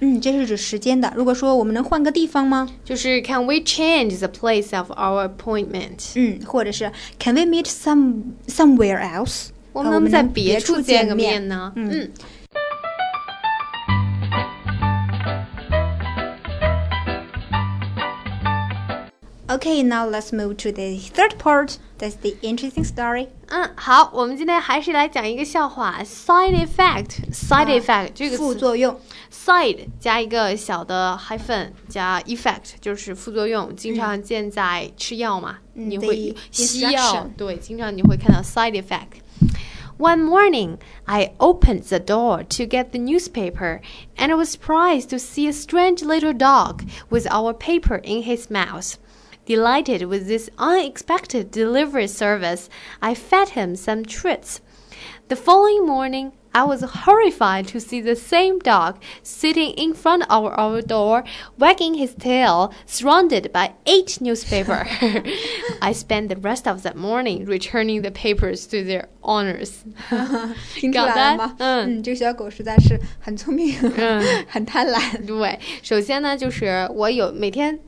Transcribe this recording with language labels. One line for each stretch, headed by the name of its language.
Chinese: 这是指时间的如果说我们能换个地方吗就是
English: Can we change the place of our appointment
Chinese: 或者是
English: Can we meet somewhere else
Chinese: 我们能在别处见个面呢
English: Okay, now let's move to the third part. That's the interesting story.
Chinese: 好，我们今天还是来讲一个笑话。
English: Side effect,
Chinese: 这个副作用。 Side 加一个小的 hyphen 加 effect 就是副作用，经常见在吃药嘛。你会西药对，经常你会看到 side effect.
English: One morning, I opened the door to get the newspaper, and I was surprised to see a strange little dog with our paper in his mouth. Delighted with this unexpected delivery service, I fed him some treats. The following morning, I was horrified to see the same dog sitting in front of our door, wagging his tail, surrounded by 8 newspapers. I spent the rest of that morning returning the papers to their owners.
Chinese: 听出来了吗？这个小狗实在是很聪明，很贪婪。对，首先呢，就是我有每天。